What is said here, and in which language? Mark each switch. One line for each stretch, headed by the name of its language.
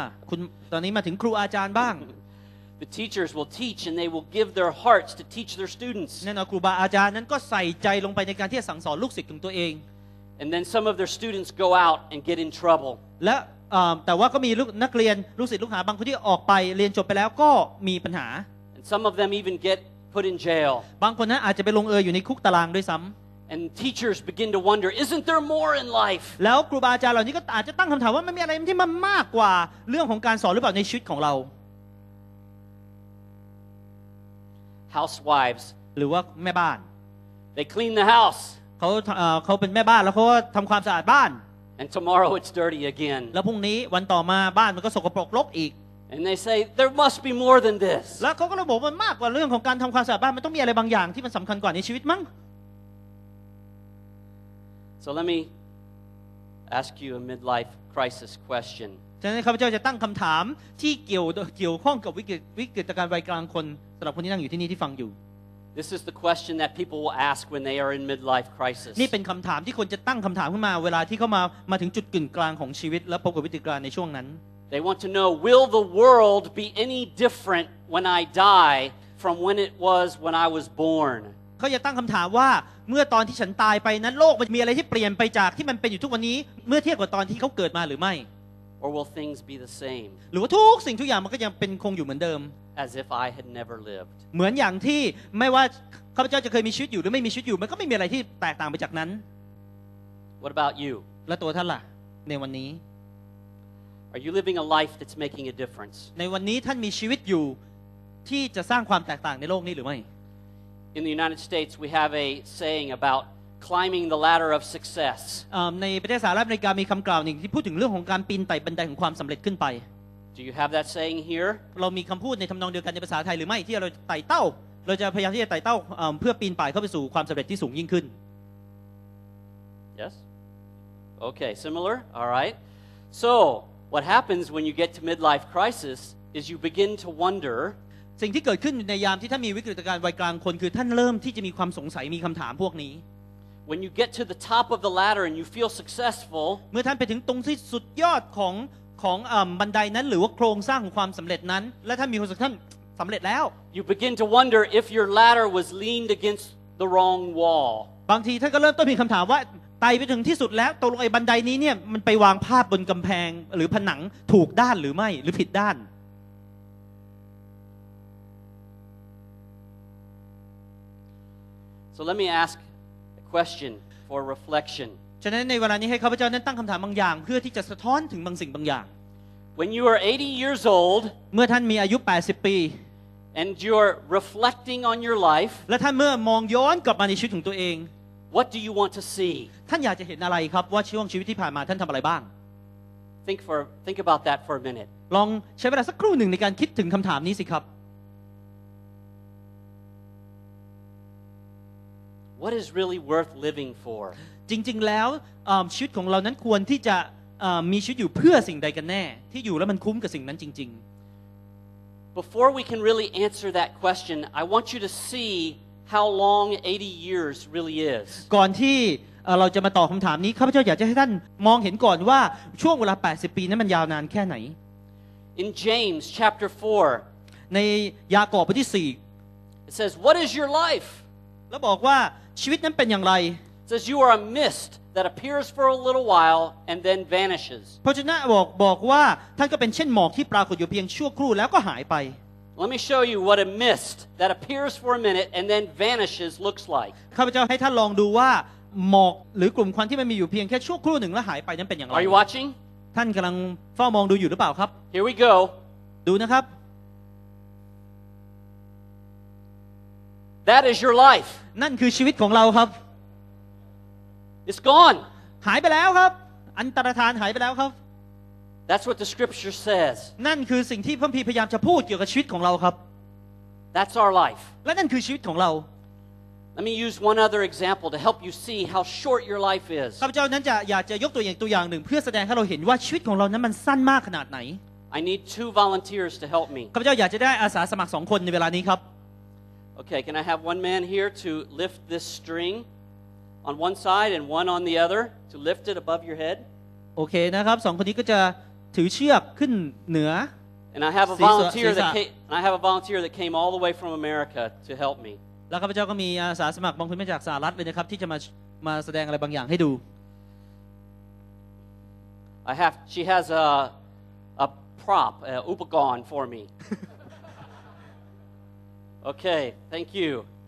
Thai: คุณตอนนี้มาถึงครูอาจารย์บ้าง
English: The teachers will teach and they will give their hearts to teach their students.
Thai: แน่นอนครูบาอาจารย์นั้นก็ใส่ใจลงไปในการที่จะสั่งสอนลูกศิษย์ของตัวเอง
English: And then some of their students go out and get in trouble.
Thai: และแต่ว่าก็มีนักเรียนลูกศิษย์ลูกหาบางคนที่ออกไปเรียนจบไปแล้วก็มีปัญหา
English: And some of them even get put in jail.
Thai: บางคนนั้นอาจจะไปลงเอยอยู่ในคุกตารางด้วยซ้ำ
English: And teachers begin to wonder, isn't there more in life?
Thai: แล้วครูบาอาจารย์เหล่านี้ก็อาจจะตั้งคำถามว่ามันมีอะไรที่มันมากกว่าเรื่องของการสอนหรือเปล่าในชีวิตของเรา
English: Housewives.
Thai: หรือว่าแม่บ้าน
English: They clean the house.
Thai: เขาเป็นแม่บ้านแล้วเขาทำความสะอาดบ้าน
English: And tomorrow it's dirty again
Thai: แล้วพรุ่งนี้วันต่อมาบ้านมันก็สกปรกรกอีก
English: And they say there must be more than this
Thai: แล้วเขาก็เลยบอกมันมากกว่าเรื่องของการทำความสะอาดบ้านมันต้องมีอะไรบางอย่างที่มันสำคัญกว่าในชีวิตมั้ง
English: So let me ask you a midlife crisis question
Thai: ฉะนั้นข้าพเจ้าจะตั้งคำถามที่เกี่ยวข้องกับวิกฤตการณ์วัยกลางคนสำหรับคนที่นั่งอยู่ที่นี่ที่ฟังอยู่
English: This is the question that people will ask when they are in midlife crisis.
Thai: นี่เป็นคำถามที่คนจะตั้งคำถามขึ้นมาเวลาที่เขามาถึงจุดกึ่งกลางของชีวิตและพบกับวิกฤตในช่วงนั้น
English: They want to know, will the world be any different when I die from when it was when I was born?
Thai: เขาจะตั้งคำถามว่าเมื่อตอนที่ฉันตายไปนั้นโลกมันมีอะไรที่เปลี่ยนไปจากที่มันเป็นอยู่ทุกวันนี้เมื่อเทียบกับตอนที่เขาเกิดมาหรือไม่
English: Or will things be the same?
Thai: หรือว่าทุกสิ่งทุกอย่างมันก็ยังเป็นคงอยู่เหมือนเดิม
English: As if I had never lived.
Thai: เหมือนอย่างที่ไม่ว่าข้าพเจ้าจะเคยมีชีวิตอยู่หรือไม่มีชีวิตอยู่มันก็ไม่มีอะไรที่แตกต่างไปจากนั้น
English: What about you?
Thai: และตัวท่านล่ะในวันนี้
English: Are you living a life that's making a difference?
Thai: ในวันนี้ท่านมีชีวิตอยู่ที่จะสร้างความแตกต่างในโลกนี้หรือไม่
English: In the United States, we have a saying aboutclimbing the ladder of success
Thai: ในประเทศสหรัฐอเมริกามีคำกล่าวหนึ่งที่พูดถึงเรื่องของการปีนไต่บันไดของความสำเร็จขึ้นไป
English: Do you have that saying here
Thai: เรามีคำพูดในทำนองเดียวกันในภาษาไทยหรือไม่ที่เราไต่เต้าเราจะพยายามที่จะไต่เต้าเพื่อปีนป่ายเข้าไปสู่ความสำเร็จที่สูงยิ่งขึ้น
English: Yes Okay similar All right So what happens when you get to midlife crisis is you begin to wonder
Thai: สิ่งที่เกิดขึ้นในยามที่ท่านมีวิกฤตการณ์วัยกลางคนคือท่านเริ่มที่จะมีความสงสัยมีคำถามพวกนี้
English: When you get to the top of the ladder and you feel successful,
Thai: เมื่อท่านไปถึงตรงที่สุดยอดของบันไดนั้นหรือว่าโครงสร้างของความสำเร็จนั้นและท่านมีความสุขท่านสำเร็จแล้ว
English: you begin to wonder if your ladder was leaned against the wrong wall.
Thai: บางทีท่านก็เริ่มต้นมีคำถามว่าไต่ไปถึงที่สุดแล้วตรงไอ้บันไดนี้เนี่ยมันไปวางพาดบนกำแพงหรือผนังถูกด้านหรือไม่หรือผิดด้าน
English: So let me ask. Question for reflection.
Thai: ฉะนั้นในเวลานี้ให้ข้าพเจ้านั้นตั้งคำถามบางอย่างเพื่อที่จะสะท้อนถึงบางสิ่งบางอย่าง
English: When you are 80 years old,
Thai: เมื่อท่านมีอายุ80ปี
English: and you're reflecting on your life,
Thai: และท่านเมื่อมองย้อนกลับมาในชีวิตของตัวเอง
English: What do you want to see?
Thai: ท่านอยากจะเห็นอะไรครับว่าช่วงชีวิตที่ผ่านมาท่านทำอะไรบ้าง
English: Think about that for a minute.
Thai: ลองใช้เวลาสักครู่หนึ่งในการคิดถึงคำถามนี้สิครับ
English: What is really worth living for?
Thai: จริงๆแล้วชีวิตของเรานั้นควรที่จะมีชีวิตอยู่เพื่อสิ่งใดกันแน่ที่อยู่แล้วมันคุ้มกับสิ่งนั้นจริง
English: ๆ Before we can really answer that question, I want you to see how long 80 years really is.
Thai: ก่อนที่เราจะมาตอบคำถามนี้ข้าพเจ้าอยากจะให้ท่านมองเห็นก่อนว่าช่วงเวลา80ปีนั้นมันยาวนานแค่ไหน
English: In James chapter 4,
Thai: ในยากอบบทที่4
English: it says, "What is your life?"
Thai: แล้วบอกว่าชีวิตนั้นเป็นอย่างไร
English: It says you are a mist that appears for a little while and then vanishes.
Thai: พระเจ้าบอกว่าท่านก็เป็นเช่นหมอกที่ปรากฏอยู่เพียงชั่วครู่แล้วก็หายไป
English: Let me show you what a mist that appears for a minute and then vanishes looks like.
Thai: ข้าพเจ้าให้ท่านลองดูว่าหมอกหรือกลุ่มควันที่มันมีอยู่เพียงแค่ชั่วครู่หนึ่งแล้วหายไปนั้นเป็นอย่างไร
English: Are you watching?
Thai: ท่านกำลังเฝ้ามองดูอยู่หรือเปล่าครับ
English: Here we go.
Thai: ดูนะครับ
English: That is your life.
Thai: นั่นคือชีวิตของเราครับ
English: It's gone.
Thai: หายไปแล้วครับอันตรธานหายไปแล้วครับ
English: That's what the scripture says.
Thai: นั่นคือสิ่งที่พระคัมภีร์พยายามจะพูดเกี่ยวกับชีวิตของเราครับ
English: That's our life.
Thai: และนั่นคือชีวิตของเรา
English: Let me use one other example to help you see how short your life is.
Thai: ข้าพเจ้านั้นจะอยากจะยกตัวอย่างหนึ่งเพื่อแสดงให้เราเห็นว่าชีวิตของเรานั้นมันสั้นมากขนาดไหน
English: I need two volunteers to help me.
Thai: ข้าพเจ้าอยากจะได้อาสาสมัคร2คนในเวลานี้ครับ
English: Okay, can I have one man here to lift this string on one side and one on the other to lift it above your head?
Thai: Okay, นะครับ2คนนี้ก็จะถือเชือกขึ้นเหนือ
English: And I have a volunteer that came all the way from America to help me.
Thai: แล้วข้าพเจ้าก็มีอาสาสมัครบางคนมาจากสหรัฐเลยนะครับที่จะมาแสดงอะไรบางอย่างให้ดู
English: I have she has a prop, a upagon for me. Okay, thank you.